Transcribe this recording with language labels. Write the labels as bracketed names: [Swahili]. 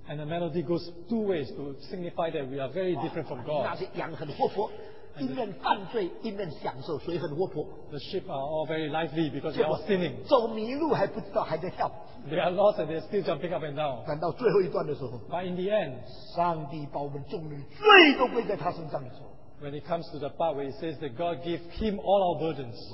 [English] And the melody goes two ways to signify that we are very different from God. [Chinese] 那些羊很活泼, 一面犯罪, 一面享受, 水很活泼。 [English] The sheep are all very lively because they are all sinning. [Chinese] 走迷路还不知道, [English] they are lost and they are still jumping up and down. [Chinese] 等到最后一段的时候, [English] but in the end, [Chinese] 上帝把我们众人罪都归在他身上的时候, [English] when it comes to the part where it says that God gave him all our burdens,